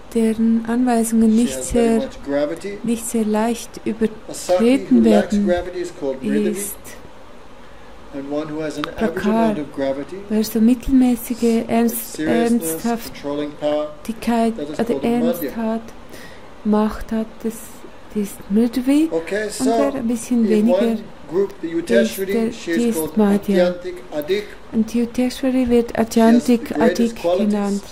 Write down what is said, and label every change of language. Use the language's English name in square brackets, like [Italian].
[German] deren Anweisungen nicht sehr leicht übertreten werden, ist [English] and one who has an average amount of gravity, [German] wer so mittelmäßige Ernsthaftigkeit oder Ernst hat, Macht hat, das ist Mridvi, [English] okay, so [German] und wer ein bisschen weniger [English] group, the Yudheshwari, [German] die ist Madhya. Adik. Und die Yudheshwari wird Adyantik Adik genannt.